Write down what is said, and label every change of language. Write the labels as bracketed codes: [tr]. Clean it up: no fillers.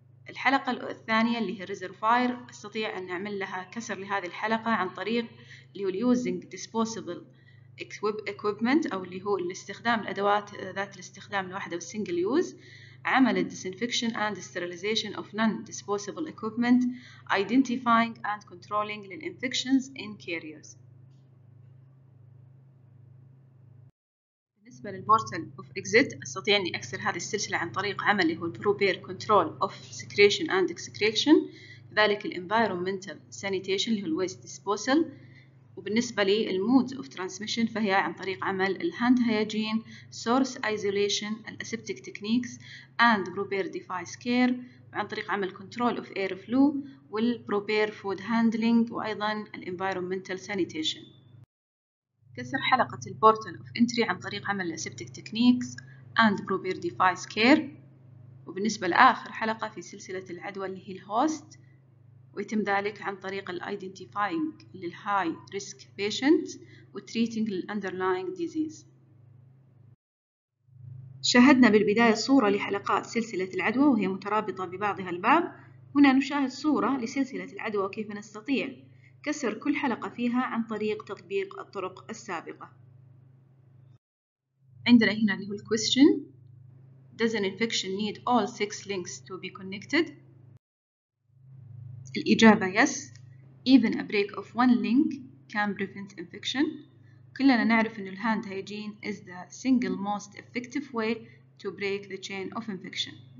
[ar] الحلقه الثانيه اللي هي الريزرفاير استطيع ان نعمل لها كسر لهذه الحلقه عن طريق اللي هو اليوزنج ديسبوسبل equipment أو اللي هو الاستخدام الأدوات ذات الاستخدام الواحدة والsingle use، عمل [en] disinfection and sterilization of non-disposable equipment، identifying and controlling the infections in carriers. [ar] بالنسبة للportal of exit أستطيع أني أكسر هذه السلسلة عن طريق عمل هو [en] prepare control of secretion and excretion، [ar] ذلك [en] environmental sanitation [ar] اللي هو [en] waste disposal. [ar] وبالنسبة للمود of transmission فهي عن طريق عمل الهاند هيجين، [en] source isolation، [ar] الأسيبتيك تكنيكس، [en] and prepare device care، [ar] وعن طريق عمل [en] control of air flow، [ar] والprepare food handling، وأيضا [en] environmental sanitation. [ar] كسر حلقة البورتال of entry عن طريق عمل الأسيبتيك تكنيكس [en] and prepare device care. [ar] وبالنسبة لآخر حلقة في سلسلة العدوى اللي هي الهوست، ويتم ذلك عن طريق الـ Identifying للـ High Risk Patients و [en] Treating للـ Underlying Disease. [ar] شاهدنا بالبداية صورة لحلقات سلسلة العدوى وهي مترابطة ببعضها البعض. هنا نشاهد صورة لسلسلة العدوى وكيف نستطيع كسر كل حلقة فيها عن طريق تطبيق الطرق السابقة. عندنا هنا اللي هو الـ [en] Question: Does an infection need all 6 links to be connected؟ الإجابة yes، Even a break of one link can prevent infection. [ar] كلنا نعرف إنه الهاند هيجين [en] is the single most effective way to break the chain of infection.